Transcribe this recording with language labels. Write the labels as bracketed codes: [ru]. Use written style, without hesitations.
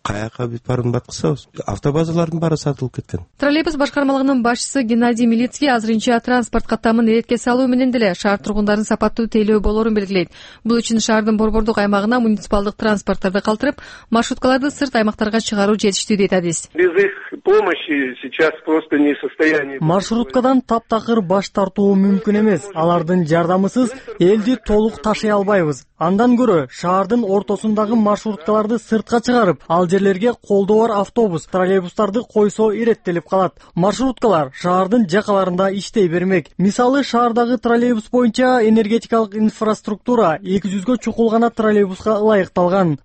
[ky] Каяка биз барын баткысабыз? Автобазарлардын баары сатылып кеткен. Троллейбус башкармалыгынын башчысы Геннадий Милицкий азырынча транспорт каттамын иретке салуу менен деле шаар тургундарын сапаттуу тейлөө болорун белгилейт. Бул үчүн шаардын борбордук аймагына муниципалдык транспорттарды калтырып, маршруткаларды сырт аймактарга чыгаруу жетиштүү дейт адис. [ru] Без их помощи сейчас просто не в состоянии. [ky] Маршруткадан таптакыр баш тартуу мүмкүн эмес. Алардын жардамысыз элди толук ташый албайбыз. Андан көрө шаардын ортосундагы маршруткаларды сыртка чыгарып, ал жерлерге колдоо бар автобус, троллейбустарды койсо иреттелип калат. Маршруткалар шаардын жакаларында иштей бермек. Мисалы шаардагы троллейбус боюнча энергетикалык инфраструктура 200 чукул гана троллейбуска ылайыкталган.